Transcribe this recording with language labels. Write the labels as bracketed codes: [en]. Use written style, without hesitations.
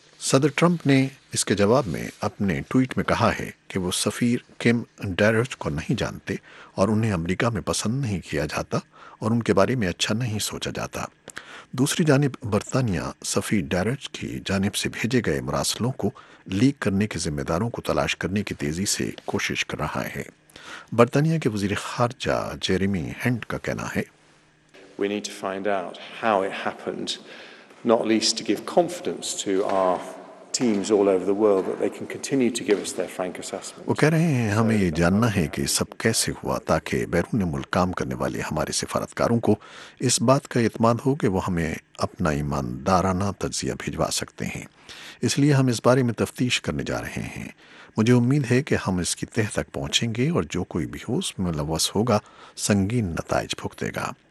[ur] صدر ٹرمپ نے اس کے جواب میں اپنے ٹویٹ میں کہا ہے کہ وہ سفیر کم ڈیروچ کو نہیں جانتے اور انہیں امریکہ میں پسند نہیں کیا جاتا اور ان کے بارے میں اچھا نہیں سوچا جاتا۔ دوسری جانب برطانیہ سفیر ڈیروچ کی جانب سے بھیجے گئے مراسلوں کو لیک کرنے کے ذمہ داروں کو تلاش کرنے کی تیزی سے کوشش کر رہا ہے۔ برطانیہ کے وزیر خارجہ جیریمی ہنٹ کا کہنا ہے، [en] We need to find out how it happened, not least to give confidence to our teams all over the world that they can continue to give us their frank assessment. [ur] وہ کہہ رہے ہیں، ہمیں یہ جاننا ہے کہ سب کیسے ہوا تاکہ بیرون ملک کام کرنے والے ہمارے سفارتکاروں کو اس بات کا اعتماد ہو کہ وہ ہمیں اپنا ایماندارانہ تجزیہ بھیجوا سکتے ہیں، اس لیے ہم اس بارے میں تفتیش کرنے جا رہے ہیں۔ مجھے امید ہے کہ ہم اس کی تہ تک پہنچیں گے اور جو کوئی بھی ہو اس میں ملوث ہوگا سنگین نتائج بھگتے گا۔